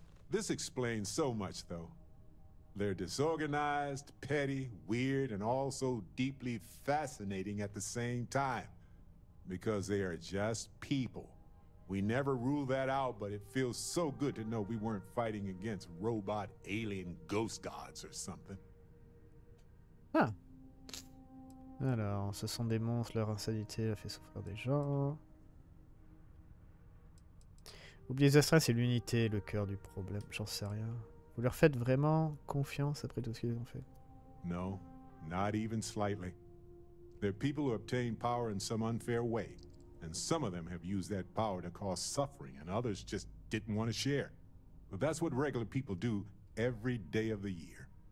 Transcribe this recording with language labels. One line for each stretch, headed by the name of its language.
English: This explains so much, though. They're disorganized, petty, weird, and also deeply fascinating at the same time. Because they are just people, We never rule that out, but it feels so good to know we weren't fighting against robot alien ghost gods or something. Ah.
French: Alors, ce sont des monstres, leur insanité a fait souffrir des gens. Oubliez le stress et l'unité, le cœur du problème, j'en sais rien. Vous leur faites vraiment confiance après tout ce qu'ils ont fait?
English: Non, not even slightly. They're people who obtain power in some unfair way. And some of them have used that power to cause suffering, and others just didn't want to share. But that's what regular people do every day of the year.